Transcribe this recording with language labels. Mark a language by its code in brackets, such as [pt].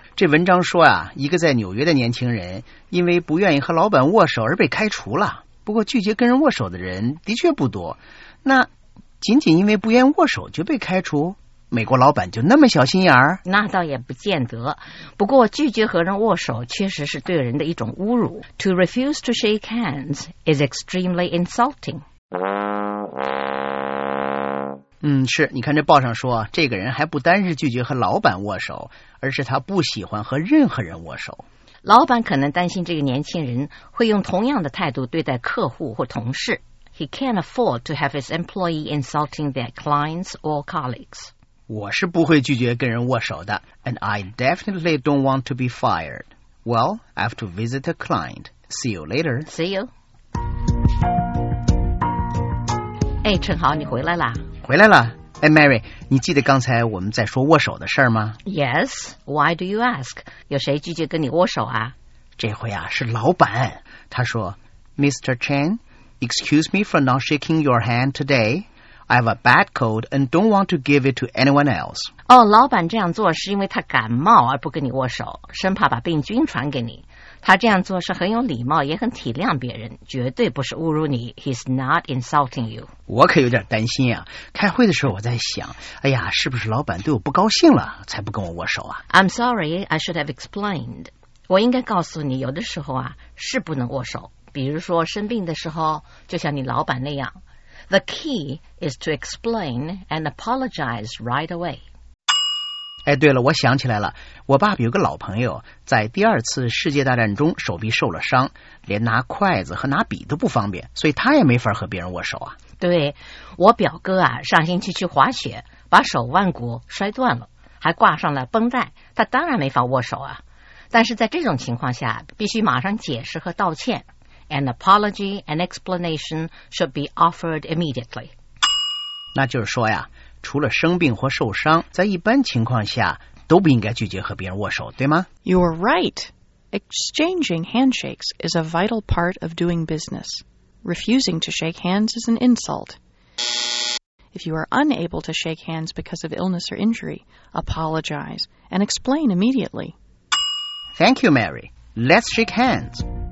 [zh] 这文章说啊，一个在纽约的年轻人因为不愿意和老板握手而被开除了。不过拒绝跟人握手的人的确不多。那仅仅因为不愿意握手就被开除？美国老板就那么小心眼儿？那倒也不见得。不过拒绝和人握手确实是对人的一种侮辱。 [en] To refuse to shake hands is extremely insulting. [zh] 是，你看这报上说，这个人还不单是拒绝和老板握手，而是他不喜欢和任何人握手。老板可能担心这个年轻人会用同样的态度对待客户或同事。 [en] He can't afford to have his employee insulting their clients or colleagues. [zh] 我是不会拒绝跟人握手的 ， [en] and I definitely don't want to be fired. Well, I have to visit a client. See you later. See you. [zh] 哎，陈豪，你回来啦？回来了。哎 ，Mary， 你记得刚才我们在说握手的事儿吗？ [en] Yes. Why do you ask? [zh] 有谁拒绝跟你握手啊？这回啊，是老板。他说 ，Mr. [en] Chen, excuse me for not shaking your hand today. I have a bad cold and don't want to give it to anyone else. [zh] 哦，老板这样做是因为他感冒而不跟你握手，生怕把病菌传给你。他这样做是很有礼貌，也很体谅别人，绝对不是侮辱你。 [en] He's not insulting you. [zh] 我可有点担心啊，开会的时候我在想，哎呀，是不是老板对我不高兴了，才不跟我握手啊 [en] ？I'm sorry, I should have explained. [zh] 我应该告诉你，有的时候啊，是不能握手，比如说生病的时候，就像你老板那样。 [en] The key is to explain and apologize right away. [zh] 哎，对了，我想起来了，我爸爸有个老朋友，在第二次世界大战中手臂受了伤，连拿筷子和拿笔都不方便，所以他也没法和别人握手啊。对，我表哥啊，上星期去滑雪，把手腕骨摔断了，还挂上了绷带，他当然没法握手啊。但是在这种情况下，必须马上解释和道歉。 [en] An apology and explanation should be offered immediately. [zh] 那就是说呀，除了生病或受伤，在一般情况下都不应该拒绝和别人握手，对吗？ [en] You're right. Exchanging handshakes is a vital part of doing business. Refusing to shake hands is an insult. If you are unable to shake hands because of illness or injury, apologize and explain immediately. Thank you, Mary. Let's shake hands.